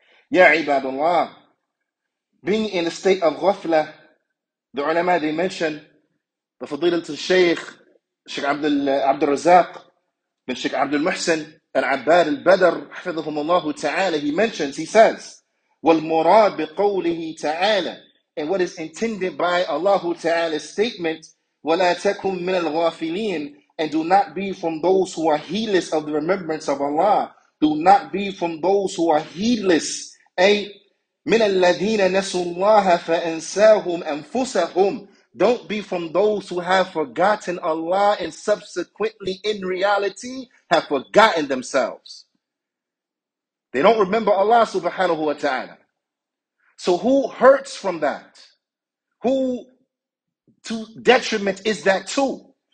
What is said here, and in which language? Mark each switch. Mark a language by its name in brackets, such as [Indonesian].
[English] Ya ibadullah, being in a state of ghafla, the ulama, they mentioned, the fadilat al-shaykh, Shaykh Abdul Razak, bin Shaykh Abdul Muhsin, al-Abbad al-Badr, hafidhahum Allah ta'ala, he mentions, he says, [Arabic] وَالْمُرَاد بِقَوْلِهِ [English] ta'ala, and what is intended by Allah ta'ala's statement, [Arabic] وَلَا تَكُمْ مِنَ الْغَافِلِينَ, [English] and do not be from those who are heedless of the remembrance of Allah. Do not be from those who are heedless. [Arabic] Ay, من الذين نسوا الله فأنساهم أنفسهم. [English] Don't be from those who have forgotten Allah and subsequently in reality have forgotten themselves. They don't remember Allah subhanahu wa ta'ala. So who hurts from that? Who to detriment is that to?